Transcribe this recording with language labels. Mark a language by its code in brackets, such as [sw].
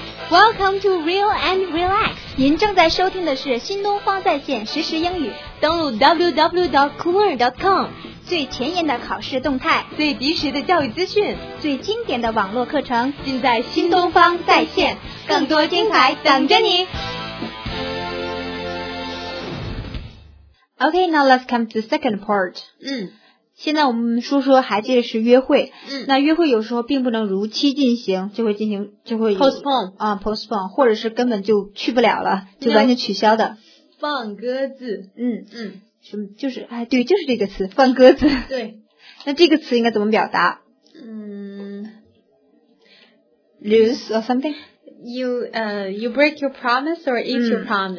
[en] Welcome to Real and Relax. [zh] 您正在收听的是新东方在线实时英语，登录 www.coolearn.com 最前沿的考试动态，最及时的教育资讯，最经典的网络课程，尽在新东方在线，更多精彩等着你。 [en] OK, now let's come to the second part. [zh] 现在我们说说还记得是约会，那约会有时候并不能如期进行，就会 [en] postpone [zh] 或者是根本就去不了了，就完全取消的，放鸽子。什么就是哎对就是这个词放鸽子。对，那这个词应该怎么表达？ [en] lose or something, you break your promise or eat your promise,